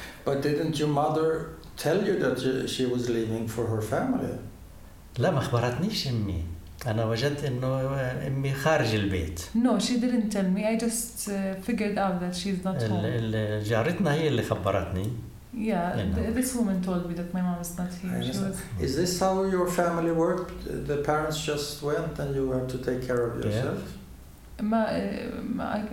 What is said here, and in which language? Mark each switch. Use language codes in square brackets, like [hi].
[en] But didn't your mother tell you that she was leaving for her family? [ar] لا ما خبرتنيش أمي. أنا وجدت إنه أمي خارج البيت. [en] No, she didn't tell me. I just figured out that she's not home. [ar] جارتنا هي اللي خبرتني. [en] Yeah, this woman told me that my mom is not here. Is this how your family worked? The parents just went and you had to take care of yourself? Yeah.